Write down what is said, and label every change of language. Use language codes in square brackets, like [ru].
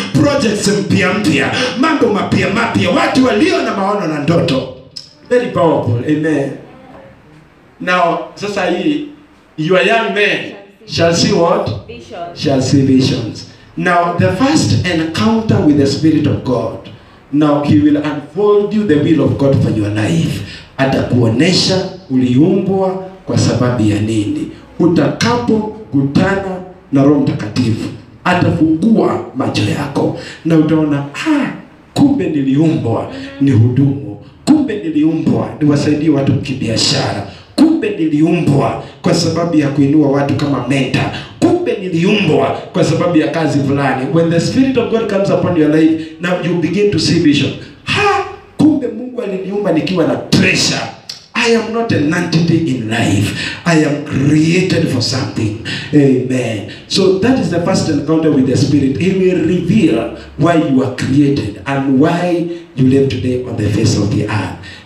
[sw] Projects mpya mpya. Mambo mapya mapya. Watu walio na maono na ndoto. [en] Very powerful. Amen. Now, [sw] sasa hii [en] you are young men. Shall see what? Visions. Shall see visions. Now, the first encounter with the Spirit of God. Now, He will unfold you the will of God for your life. [sw] Atakuonesha uliumbwa kwa sababu ya nini. Utakapo kutana na Roho Mtakatifu, atafungua macho yako. Na utaona, kumbe niliumbwa ni hudumu. Kumbe niliumbwa ni wasaidie watu kibiashara. Kumbe niliumbwa kwa sababu ya kuinua watu kama mentor. Kumbe niliumbwa kwa sababu ya kazi fulani. [en] When the Spirit of God comes upon your life, now you begin to see vision. [sw] Kumbe Mungu aliniumba nikiwa na [en] treasure. I am not a nonentity in life. I am created for something. Amen. So that is the first encounter with the Spirit. He will reveal why you are created and why you live today on the face of the earth.